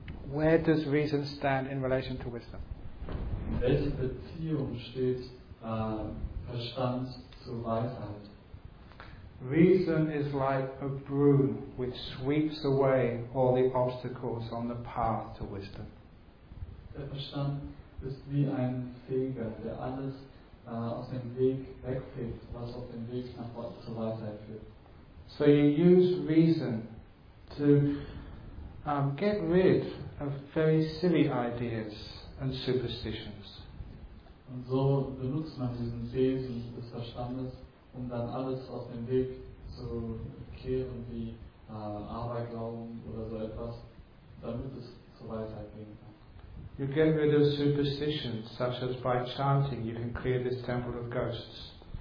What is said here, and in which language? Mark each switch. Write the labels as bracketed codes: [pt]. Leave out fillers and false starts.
[en] Where does reason stand in relation to wisdom? [de] In welcher Beziehung steht Verstand zu Weisheit? [en] Reason is like a broom which sweeps away all the obstacles on the path to wisdom. [de] Der Verstand ist wie ein Feger, der alles aus dem Weg wegfegt, was auf dem Weg nach Gott zur Weisheit führt. [en] So you use reason to get rid of very silly ideas and superstitions. [de] Und so benutzt man diesen Wesen des Verstandes, um dann alles aus dem Weg zu kehren, wie Aberglauben oder so etwas, damit es zur Weisheit gehen kann. [en] You get rid of superstitions, such as by chanting, you can clear this temple of ghosts.